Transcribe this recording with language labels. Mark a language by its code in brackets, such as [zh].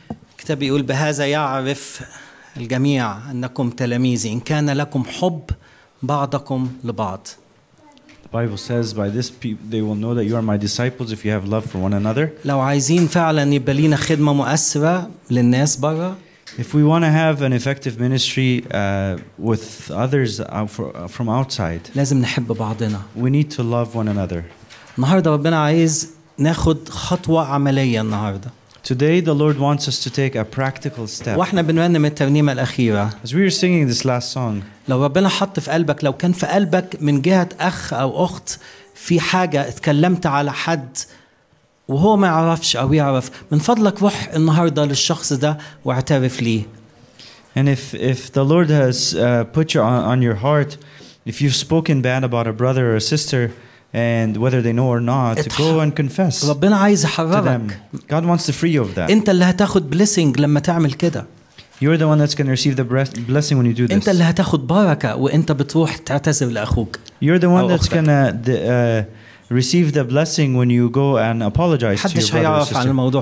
[ar] الكتاب يقول بهذا يعرف الجميع أنكم تلاميذي إن كان لكم حب بعضكم لبعض. [en] The Bible says by this they will know that you are my disciples if you have love for one another. [ar] لو عايزين فعلا يبقى لينا خدمة مؤثرة للناس برا. [en] If we want to have an effective ministry with others from outside. [ar] لازم نحب بعضنا. [en] We need to love one another. [ar] النهاردة ربنا عايز ناخد خطوة عملية النهاردة. [en] Today the Lord wants us to take a practical step. [ar] واحنا بنرنم الترنيمة الأخيرة. [en] As we were singing this last song. [ar] لو ربنا حط في قلبك لو كان في قلبك من جهة أخ أو أخت في حاجة اتكلمت على حد وهو ما يعرفش أو يعرف من فضلك روح النهاردة للشخص ده واعترف ليه. [en] And if the Lord has put you on your heart, if you've spoken bad about a brother or a sister, and whether they know or not, to go and confess [ar] ربنا عايز يحررك. [en] God wants to free you of that. [ar] أنت اللي هتاخد blessing لما تعمل كده. [en] You're the one that's going to receive the blessing when you do this. [ar] أنت اللي هتاخد بركة وأنت بتروح تعتذر لأخوك. [en] You're the one that's going to receive the blessing when you go and apologize to your brother or sister.